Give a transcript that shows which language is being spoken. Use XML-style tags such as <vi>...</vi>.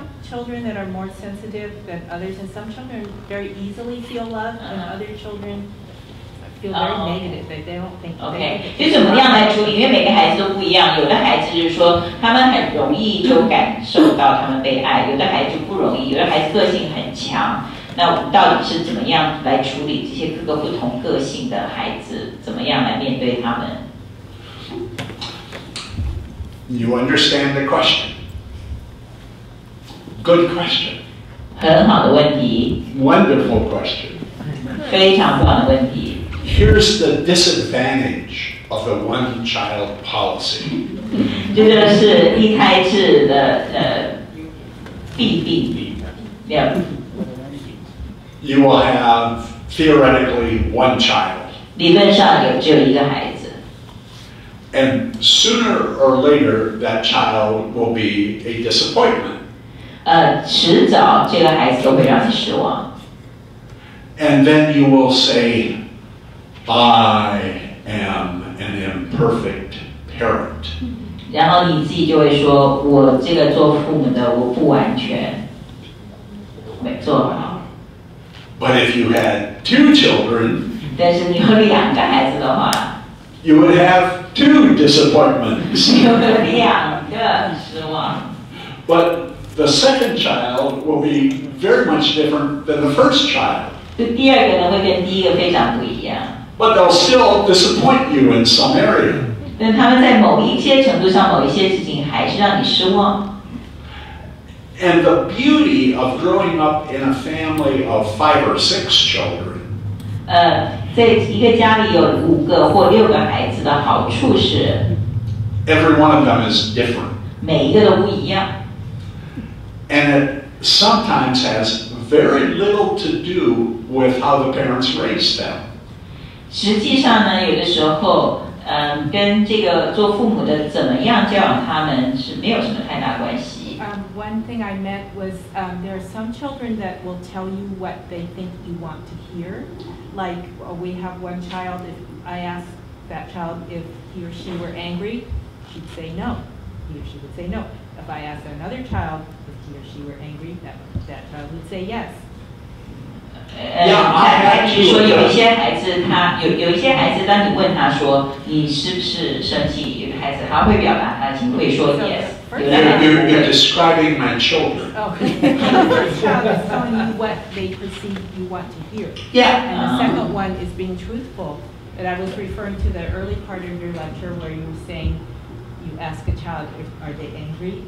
<en>Children that are more sensitive than others, and some children very easily feel love, and other children feel very negative. They don't think.</en> <zh>Okay. 就怎么样来处理？因为每个孩子都不一样。有的孩子就是说他们很容易就感受到他们被爱，有的孩子不容易，有的孩子个性很强。那我们到底是怎么样来处理这些各个不同个性的孩子？怎么样来面对他们</zh> <en>？You understand the question. Good question.</en> <zh>很好的问题。</zh> <en>Wonderful question.</en> <zh>非常棒的问题。</zh> <en>Here's the disadvantage of the one-child policy.</en> <zh>这就是一胎制的弊病。</zh> <en>You will have theoretically one child.</en> <zh>理论上有只有一个孩子。</zh> <en>And sooner or later, that child will be a disappointment.</en> <zh>迟早这个孩子都会让你失望。</zh> <en>And then you will say, I am an imperfect parent.</en> <zh>然后你自己就会说，我这个做父母的，我不完全，没做好。</zh> <en>But if you had two children,</en> <zh>但是你有两个孩子的话，</zh> <en>you would have two disappointments.</en> <zh>你有两个失望。</zh> <en>But,The second child will be very much different than the first child.</en> <zh>第二个呢会跟第一个非常不一样。</zh> <en>But they'll still disappoint you in some area.</en> <zh>但他们在某一些程度上，某一些事情还是让你失望。</zh> <en>And the beauty of growing up in a family of five or six children.</en> <zh>在一个家里有五个或六个孩子的好处是</zh> <en>，Every one of them is different.</en> <zh>每一个都不一样。</zh> <en>And it sometimes has very little to do with how the parents raise them.</en> <zh>实际上呢，有的时候，跟这个做父母的怎么样教养他们是没有什么太大关系。</zh> <en>One thing I met was, there are some children that will tell you what they think you want to hear. Like, we have one child, if I asked that child if he or she were angry, she'd say no. He or she would say no. If I asked another child,or she were angry, that child would say yes. Yeah, I actually...</en> <zh>有一些孩子当你问他说你是不是生气，有的孩子他会表达他情绪，会说 yes.</zh> <en>You're describing my children. Okay. The first child is telling you what they perceive you want to hear. Yeah. And the second one is being truthful. And I was referring to the early part of your lecture where you were saying you ask a child, if, are they angry?</en>